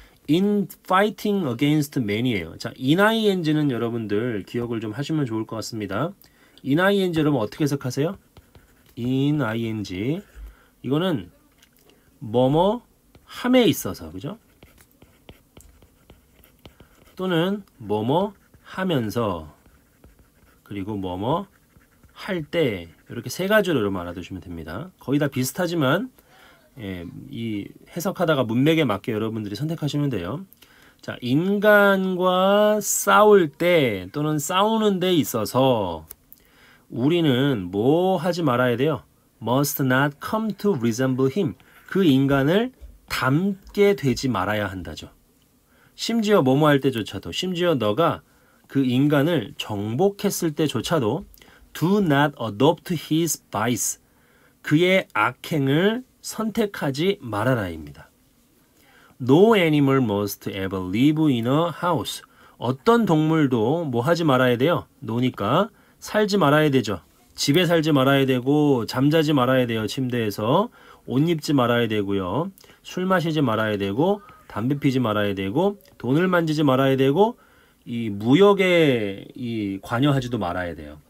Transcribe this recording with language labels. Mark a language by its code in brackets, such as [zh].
[en] In fighting against many예요. [ko] 자, ing는 여러분들 기억을 좀 하시면 좋을 것 같습니다. ing 여러분 어떻게 해석하세요? In ing 이거는 뭐뭐 함에 있어서, 그죠? 또는 뭐뭐 하면서, 그리고 뭐뭐 할 때, 이렇게 세 가지로 여러분 알아두시면 됩니다. 거의 다 비슷하지만 예, 이 해석하다가 문맥에 맞게 여러분들이 선택하시면 돼요. 자, 인간과 싸울 때 또는 싸우는 데 있어서 우리는 뭐 하지 말아야 돼요? [en] Must not come to resemble him. [ko] 그 인간을 닮게 되지 말아야 한다죠. 심지어 뭐뭐 할 때조차도, 심지어 너가 그 인간을 정복했을 때조차도 [en] Do not adopt his vice. [ko] 그의 악행을 선택하지 말아라입니다. [en] No animal must ever live in a house. [ko] 어떤 동물도 뭐 하지 말아야 돼요? 노니까 살지 말아야 되죠. 집에 살지 말아야 되고 잠자지 말아야 돼요. 침대에서 옷 입지 말아야 되고요. 술 마시지 말아야 되고 담배 피지 말아야 되고 돈을 만지지 말아야 되고 이 무역에 이 관여하지도 말아야 돼요.